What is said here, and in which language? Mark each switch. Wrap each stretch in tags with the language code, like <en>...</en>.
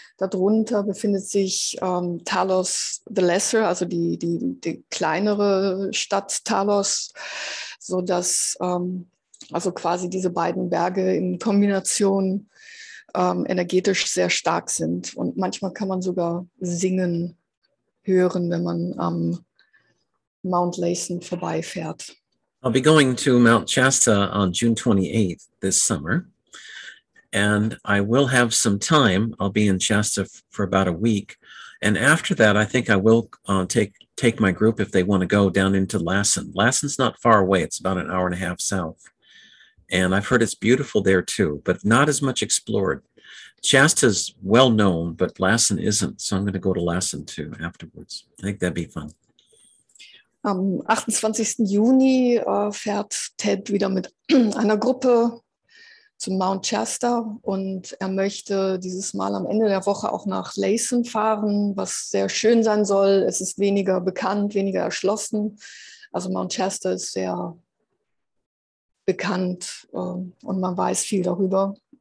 <de>Darunter befindet sich Talos the Lesser, also die kleinere Stadt Talos, sodass also quasi diese beiden Berge in Kombination energetisch sehr stark sind. Und manchmal kann man sogar singen hören, wenn man am Mount Lassen vorbeifährt.</de> <en>I'll be going to Mount Shasta on June 28th this summer, and I will have some time. I'll be in Shasta for about a week, and after that, I think I will take my group, if they want to go, down into Lassen. Lassen's not far away. It's about an hour and a half south, and I've heard it's beautiful there too, but not as much explored. Shasta's well known, but Lassen isn't, so I'm going to go to Lassen too afterwards. I think that'd be fun.</en> <de>Am 28. Juni fährt Ted wieder mit einer Gruppe zum Mount Shasta und er möchte dieses Mal am Ende der Woche auch nach Lassen fahren, was sehr schön sein soll. Es ist weniger bekannt, weniger erschlossen. Also Mount Shasta ist sehr bekannt und man weiß viel darüber.</de>